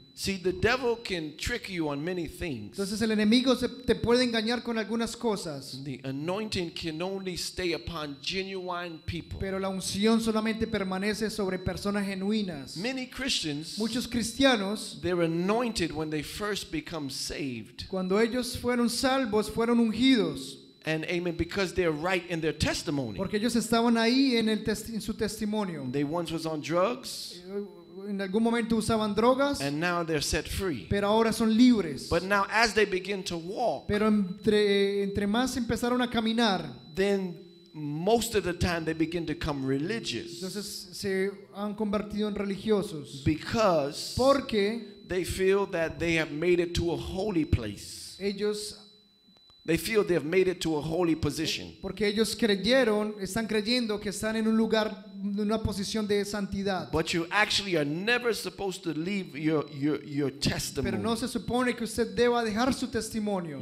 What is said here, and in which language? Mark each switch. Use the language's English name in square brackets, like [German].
[English] See, the devil can trick you on many things. [Spanish] Entonces el enemigo te puede engañar con algunas cosas. [English] The anointing can only stay upon genuine people. [Spanish] Pero la unción solamente permanece sobre personas genuinas. [English] Many Christians, [Spanish] muchos cristianos, [English] they're anointed when they first become saved. [Spanish] Cuando ellos fueron salvos, fueron ungidos. [English] And amen, because they're right in their testimony. [Spanish] Porque ellos estaban ahí en su testimonio. [English] They once was on drugs. [Spanish] En algún momento usaban drogas, [English] and now they're set free. [Spanish] Pero ahora son libres. [English] But now as they begin to walk, [Spanish] pero entre más empezaron a caminar, [English] then most of the time they begin to come religious. [Spanish] Entonces se han convertido en religiosos. [English] Because [Spanish] porque [English] they feel that they have made it to a holy place. [Spanish] Ellos, [English] they feel they have made it to a holy position. [Spanish] Porque ellos creyeron, están creyendo que están en un lugar, una posición de santidad. [English] But you actually are never supposed to leave your testimony. [Spanish] Pero no se supone que usted deba dejar su testimonio.